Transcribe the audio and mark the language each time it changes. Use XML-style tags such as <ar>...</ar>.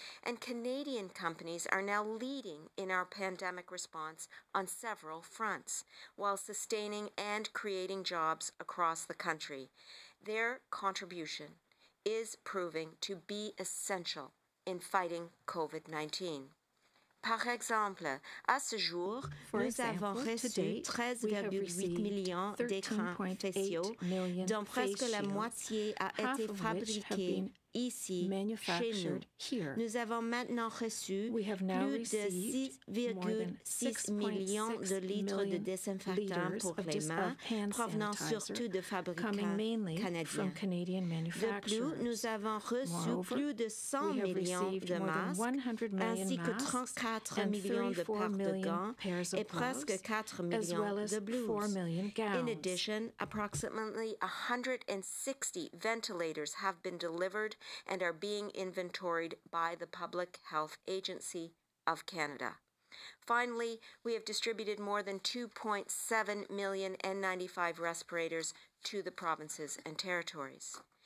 <en>And Canadian companies are now leading in our pandemic response on several fronts while sustaining and creating jobs across the country. Their contribution is proving to be essential in fighting COVID-19.</en> <fr>Par exemple, à ce jour, nous avons reçu 13,8 millions d'écrans faciaux, dont presque la moitié a été fabriquée ici, chez nous. Nous avons maintenant reçu plus de 6,6 millions de litres de désinfectants pour les mains, provenant surtout de fabricants canadiens. De plus, nous avons reçu plus de 100 millions de masques, ainsi que 34 millions de paires de gants et presque 4 millions de blouses.</fr> <en>In addition, approximately 160 ventilators have been delivered and are being inventoried by the Public Health Agency of Canada. Finally, we have distributed more than 2.7 million N95 respirators to the provinces and territories.</en>